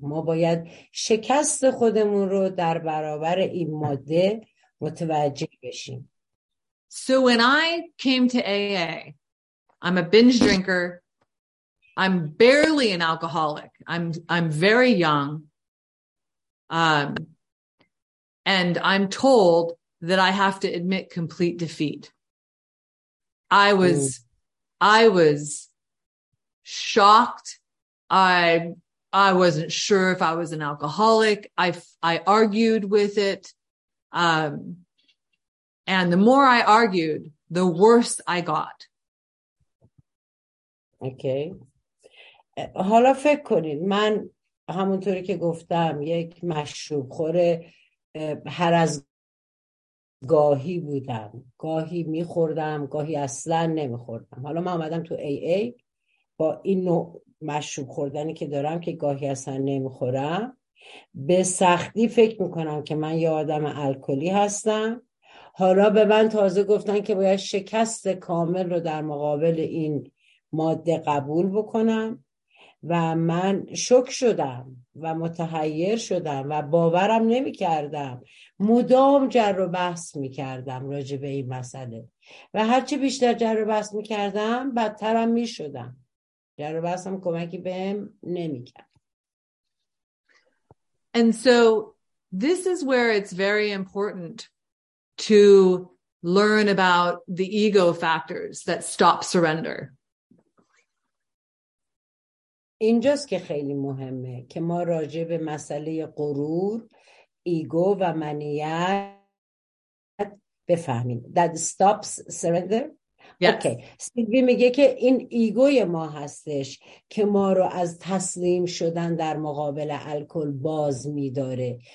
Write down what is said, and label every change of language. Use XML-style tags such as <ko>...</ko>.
<fa>ما باید شکست خودمون رو در برابر این ماده متوجه بشیم.</fa> <en>So when I came to AA, I'm a binge drinker. I'm barely an alcoholic. I'm very young. And I'm told that I have to admit complete defeat. I was shocked. I wasn't sure if I was an alcoholic. I argued with it. And the more I argued, the worse I got. Okay.</en> <fa>حالا فکر کنید من همونطوری که گفتم یک مشروب خور هر از گاهی بودم. گاهی میخوردم، گاهی اصلا نمیخوردم. حالا من اومدم تو AA با این نوع مشروب خوردنی که دارم که گاهی اصلا نمیخورم، به سختی فکر میکنم که من یه آدم الکلی هستم. حالا به من تازه گفتن که باید شکست کامل رو در مقابل این ماده قبول بکنم و من شوک شدم و متحیر شدم و باورم نمی کردم. مدام جر و بحث می کردم راجع به این مسئله و هرچی بیشتر جر و بحث می کردم بدترم می شدم. جر و بحثم کمکی بهم نمی کرد.</fa> <en>And so this is where it's very important to learn about the ego factors that stop surrender.</en> <fa>اینجاست که خیلی مهمه که ما راجع به مسئله غرور، ایگو و منیت بفهمیم.</fa> <en>That stops surrender. Yes. Okay.</en> <fa>سیلوی میگه که این ایگوی ما هستش که ما رو از تسلیم شدن در مقابل الکل باز میداره.</fa>